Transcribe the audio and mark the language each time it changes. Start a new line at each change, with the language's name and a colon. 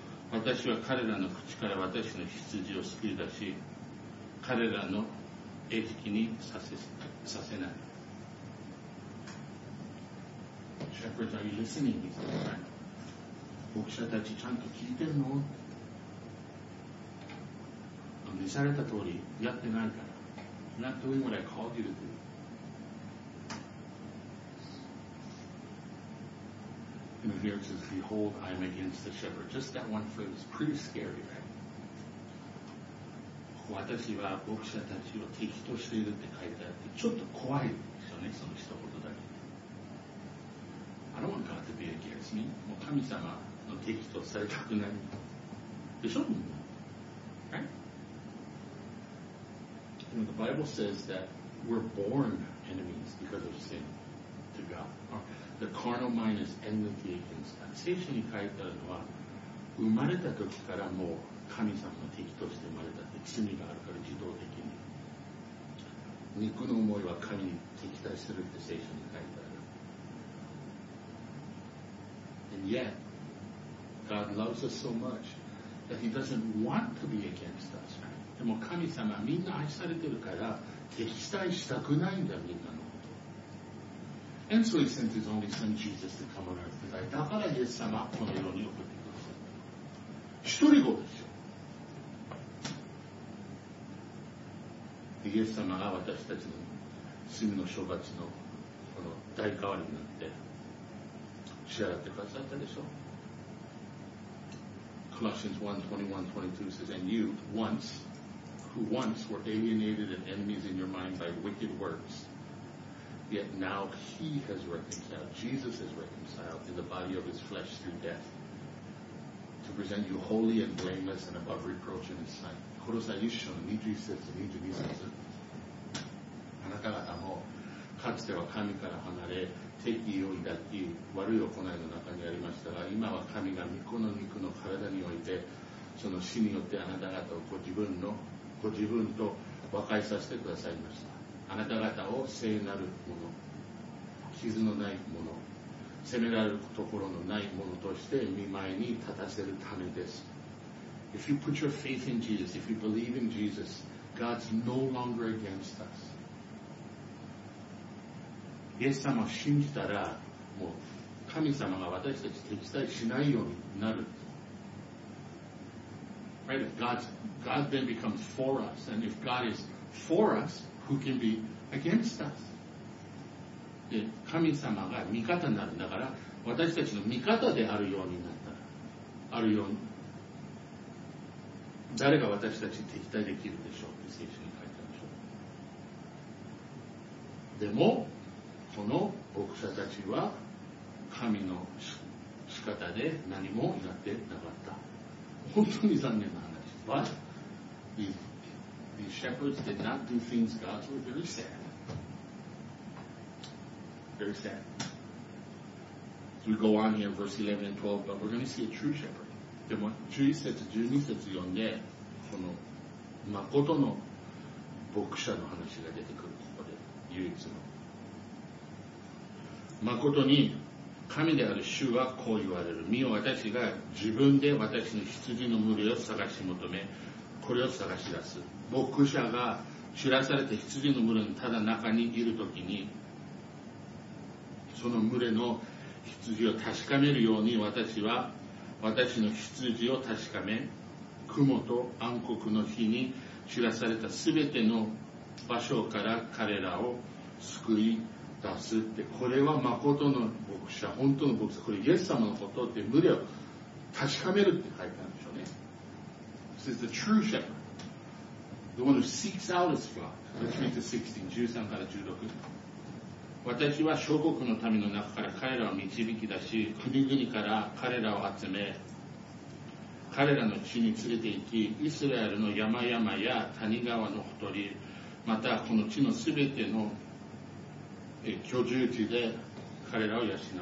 Japanese: 私は彼らの口から私の羊を救い出し、彼らの餌食にさせない。
English: Shepherds, are you listening?
Japanese: 牧者たち、ちゃんと聞いてるの？召された通りやってないから。
English: Not doing what I called you to do. And here it says, Behold, I am against the shepherd. Just that one phrase is pretty scary, right?
Japanese: 私は牧者たちを敵としているって書いてあって、ちょっと怖いですよね、その一言だけ。
English: I don't want God to be against me.
Japanese: もう神様の敵とされたくない。でしょ？
English: Right? You know, the Bible says that we're born enemies because of sin to God. The carnal mind is enmity against God.
Japanese: 聖書に書いてあるのは、生まれた時からもう神様の敵として生まれたって、罪があるから自動的に。肉の思いは神に敵対するって聖書に書いてある。
English: And yet, God loves us so much that He doesn't want to be against us.
Japanese: でも神様はみんな愛されてるから、敵対したくないんだ、みんなの。
English: And so he sent his only son Jesus to come on earth to die.
Japanese: だからイエス様はこの世に送ってください。一人子ですよ。イエス様が私たちの罪の処罰のこの代替わりになって支払ってくださったでしょ。
English: Colossians 1:21-22 says, And you, once, who once were alienated and enemies in your mind by wicked works,Yet now he has reconciled, Jesus has reconciled in the body of his flesh through death to present you holy and blameless and above reproach in his sight.
Japanese: コロサイ一章の21節、22節。あなた方もかつては神から離れ、敵意を抱き、悪い行いの中にありましたが、今は神が御子の肉の体において、その死によってあなた方をご自分と和解させてくださいました。あなた方を聖なるもの、傷のないもの、責められるところのないものとして御前に立たせるためです。
English: If you put your faith in Jesus, if you believe in Jesus, God's no longer against us.
Japanese: イエス様を信じたら、もう神様が私たち敵対しないようになる。
English: Right? If God then becomes for us, and if God is for us,Who can be against us?
Japanese: で、神様が味方になるんだから、私たちの味方であるようになったら、あるように誰が私たち敵対できるでしょうって聖書に書いてあるでしょう。でもこの牧者たちは神の仕方で何もやってなかった。本当に残念な話。
English: But These shepherds did not do things God's way. Very sad. Very sad. So we go on here, verse 11 and 12, but we're going to see a true shepherd.
Japanese: でも11節、12節読んで、この誠の牧者の話が出てくる。ここで唯一の誠に神である主はこう言われる。見よ、私が自分で私の羊の群れを探し求め、これを探し出す。牧者が散らされて羊の群れのただ中にいるときに、その群れの羊を確かめるように、私は私の羊を確かめ、雲と暗黒の日に散らされたすべての場所から彼らを救い出すって、これは誠の牧者、本当の牧者、これイエス様のことって、群れを確かめるって書いてあるんでしょうね。
English: This is the true shepherd, the one who seeks out his flock. Let's read the 16,
Japanese: 13から16。私は諸国の民の中から彼らを導き出し、国々から彼らを集め、彼らの地に連れて行き、イスラエルの山々や谷川のほとり、またこの地のすべての居住地で彼らを養う。